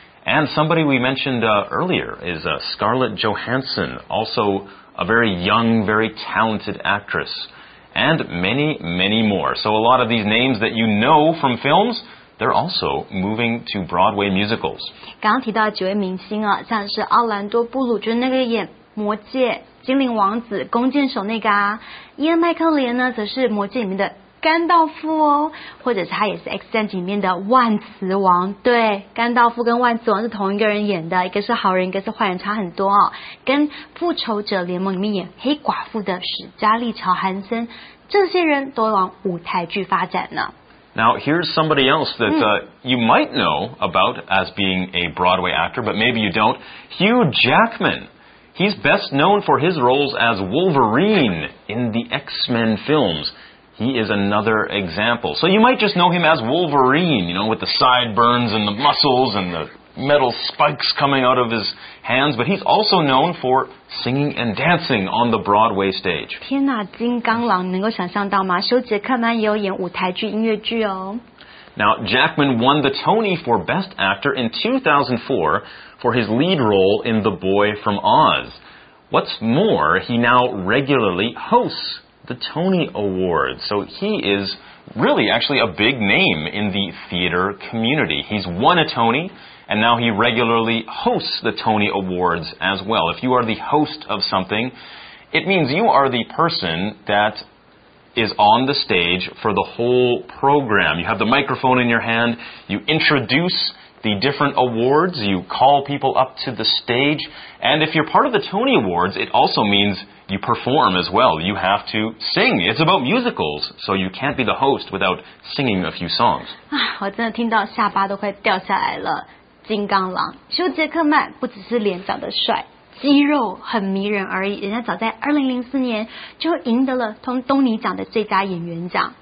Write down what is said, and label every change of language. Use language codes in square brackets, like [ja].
[en] And somebody we mentioned earlier is Scarlett Johansson, also... A very young, very talented actress. And many, many more. So a lot of these names that you know from films, they're also moving to Broadway musicals. [zh] 刚刚提到几位明星啊，像是奥兰多布鲁，就是那个演魔戒、精灵王子、弓箭手那个啊。伊恩麦克莱呢，则是魔戒里面的甘道夫哦，或者是他也是 X 战警里面的万磁王。对，甘道夫跟万磁王是同一个人演的，一个是好人，一个是坏人，差很多哦。跟复仇者联盟里面演黑寡妇的史嘉丽·乔韩森，这些人都往舞台剧发展呢。 [en] Now here's somebody else that you might know about as being a Broadway actor, but maybe you don't. Hugh Jackman. He's best known for his roles as Wolverine in the X-Men films. He is another example. So you might just know him as Wolverine, you know, with the sideburns and the muscles and the metal spikes coming out of his hands, but he's also known for singing and dancing on the Broadway stage. [zh] 天哪，金刚狼能够想象到吗？休杰克曼也有演舞台剧、音乐剧哦。 [en] Now, Jackman won the Tony for Best Actor in 2004 for his lead role in The Boy from Oz. What's more, he now regularly hosts the Tony Awards, so he is really actually a big name in the theater community. He's won a Tony, and now he regularly hosts the Tony Awards as well. If you are the host of something, it means you are the person that... is on the stage for the whole program. You have the microphone in your hand, you introduce the different awards, you call people up to the stage, and if you're part of the Tony Awards, it also means you perform as well. You have to sing. It's about musicals, so you can't be the host without singing a few songs. [zh] 我真的听到下巴都快掉下来了。金刚狼，休杰克曼不只是脸长得帅。肌肉很迷人而已，人家早在2004年就赢得了东尼奖的最佳演员奖。